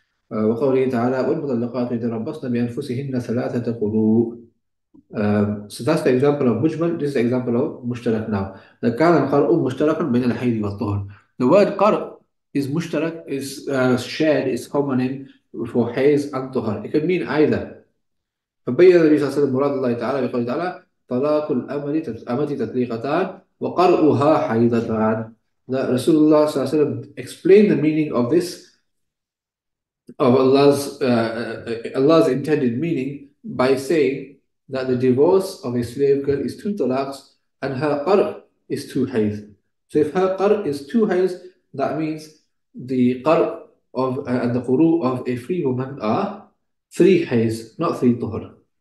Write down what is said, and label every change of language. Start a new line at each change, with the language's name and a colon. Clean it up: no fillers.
Arabic: وَقَوْلِهِ تَعَالَى وَالْمُطَلَّقَاتُ يَتَرَبَّصْنَ بِأَنفُسِهِنَّ ثَلَاثَةَ قُرُوءٍ.
English: So that's the example of mujmal, this is the example of mushtarak now.
Arabic: The كَانَ الْقَرْءُ مُشْتَرَكًا بَيْنَ الْحَيْضِ وَالطُّهُرِ.
English: The word qar' is mushtarak, is shared, is homonym for hayz and tuhar. It can mean either.
Arabic: فَبَيَّنَ النَّبِيُّ صَلَّى اللَّهُ عَلَيْهِ وَسَلَّمَ مُرَادَ اللَّهِ تَعَالَى بِقَوْلِهِ تَعَالَى طلاق الأمة تطليقتان وقرؤها حيضتان.
English: That Rasulullah
Arabic: صلى الله عليه وسلم
English: explained the meaning of this, of Allah's intended meaning by saying that the divorce of a slave girl is two talaqs and her qar is two hayd. So if her qar is two hayd, that means the qar of and the quru of a free woman are three hayd, not three tuhr.